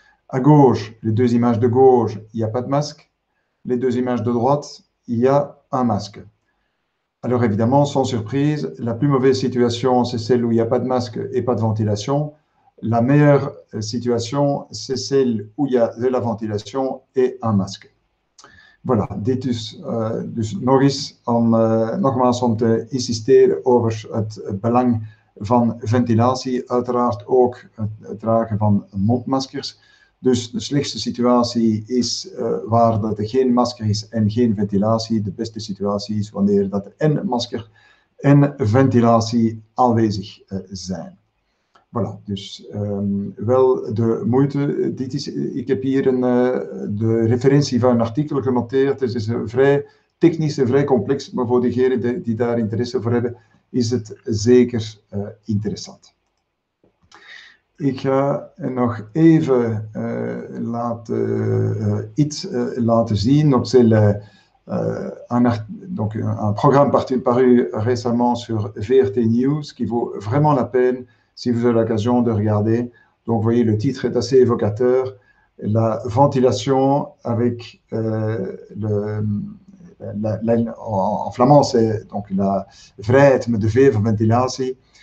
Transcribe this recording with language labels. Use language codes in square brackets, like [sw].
[fr] À gauche, les deux images de gauche, il n'y a pas de masque. Les deux images de droite, il y a un masque. Alors évidemment, sans surprise, la plus mauvaise situation, c'est celle où il n'y a pas de masque et pas de ventilation. La meilleure situation, c'est celle où il y a de la ventilation et un masque. [nl] Voilà, dit dus, dus Norris om nogmaals om te insisteren over het belang van ventilatie, uiteraard ook het dragen van mondmaskers. Dus de slechtste situatie is waar dat er geen masker is en geen ventilatie. De beste situatie is wanneer dat en masker en ventilatie aanwezig zijn. Voilà, dus wel de moeite. Dit is, ik heb hier een, de referentie van een artikel genoteerd. Het is een vrij technisch en vrij complex, maar voor diegenen die daar interesse voor hebben, is het zeker interessant. Ik ga nog even laten, iets laten zien. [fr] Donc, c'est le, un programme paru récemment sur VRT News qui vaut vraiment la peine si vous avez l'occasion de regarder. Donc, vous voyez, le titre est assez évocateur. La ventilation avec en flamand, c'est donc la [nl] vrijheid met de [fr] vivre ventilatie.